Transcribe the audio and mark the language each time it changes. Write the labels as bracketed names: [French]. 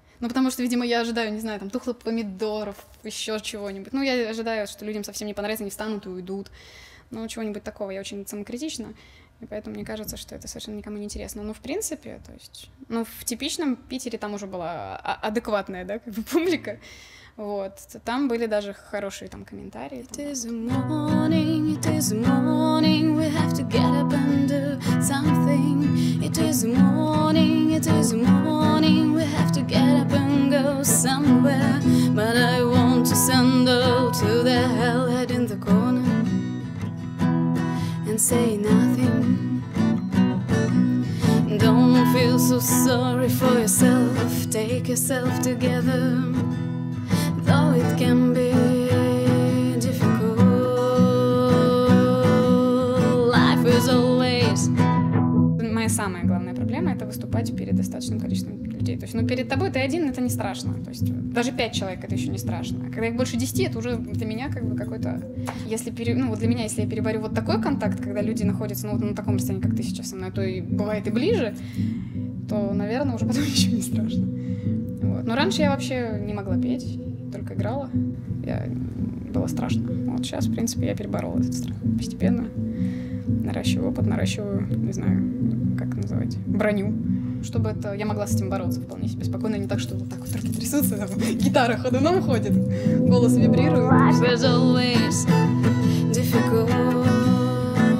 [Russian] Ну, потому что, видимо, я ожидаю, не знаю, там, тухлых помидоров, еще чего-нибудь. Ну, я ожидаю, что людям совсем не понравится, они встанут и уйдут. Ну, чего-нибудь такого. Я очень самокритична. И поэтому мне кажется, что это совершенно никому не интересно. Ну, в принципе, то есть... Ну, в типичном Питере там уже была адекватная, да, как бы публика. Вот. Там были даже хорошие там комментарии. [English] It is the morning, it is the morning. We have to get up and do something. It is the morning, it is the morning. We have to get up and go somewhere. But I want to send all to the hellhead in the corner and say nothing. Don't feel so sorry for yourself. Take yourself together. Though it can be difficult, life is always... [Russian] Моя самая главная проблема — это выступать перед достаточным количеством людей. То есть, ну, перед тобой ты один — это не страшно. То есть, даже 5 человек — это еще не страшно. А когда их больше 10, это уже для меня как бы какой-то... Если ну, вот для меня, если я переварю вот такой контакт, когда люди находятся, ну, вот на таком расстоянии, как ты сейчас со мной, то и бывает и ближе, то, наверное, уже потом еще не страшно. Вот. Но раньше я вообще не могла петь. Только играла, было страшно. Вот сейчас, в принципе, я переборола этот страх. Постепенно наращиваю опыт, наращиваю, не знаю, как это называть, броню. Чтобы это... Я могла с этим бороться вполне себе спокойно, не так, что вот так вот руки трясутся, там, гитара ходуном ходит, голос вибрирует. [English] Life is always difficult.